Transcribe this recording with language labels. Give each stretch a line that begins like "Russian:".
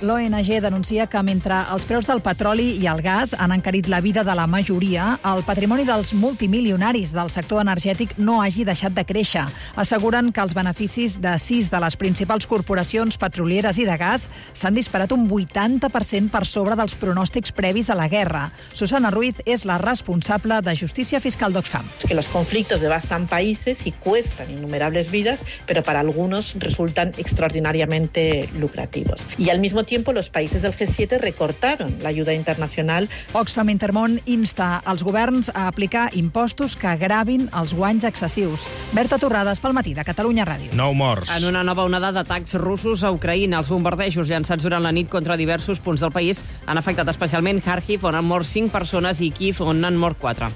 Catalan: L'ONG denuncia que mentre els preus del petroli i el gas han encarit la vida de la majoria, el patrimoni dels multimilionaris del sector energètic no hagi deixat de créixer. Asseguren que els beneficis de 6 de les principals corporacions petrolieres i de gas s'han disparat un 80% per sobre dels pronòstics previs a la guerra. Susana Ruiz és la responsable de Justícia Fiscal d'Oxfam.
Spanish: Que los conflictos devastan países y cuestan innumerables vidas, pero para algunos resultan extraordinariamente lucrativos. Y al mismo tiempo los países del G7 recortaron la ayuda internacional.
Catalan: Oxfam Intermón insta als governs a aplicar impostos que gravin els guanys excessius. Berta Torrades, pel matí de Catalunya Ràdio. Nou morts. En una nova onada d'atacs russos a Ucraïna, els bombardejos llançats durant la nit contra diversos punts del país han afectat especialment Kharkiv, on han mort 5 persones, i Kiev, on han mort 4.